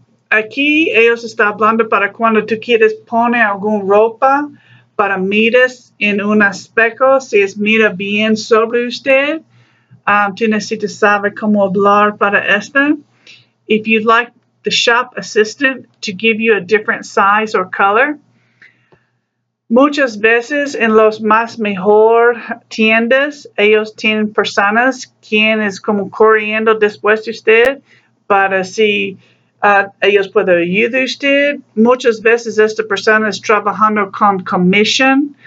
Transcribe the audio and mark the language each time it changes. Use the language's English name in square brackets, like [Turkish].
[Spanish] Aquí ellos están hablando para cuando tú quieres poner alguna ropa para miras en un espejo, si es mira bien sobre usted, tú necesitas saber cómo hablar para esto. [English] If you'd like the shop assistant to give you a different size or color. [Spanish] Muchas veces en los más mejor tiendas, ellos tienen personas quien es como corriendo después de usted, para si ellos pueden ayudar a usted. Muchas veces esta persona es trabajando con commission.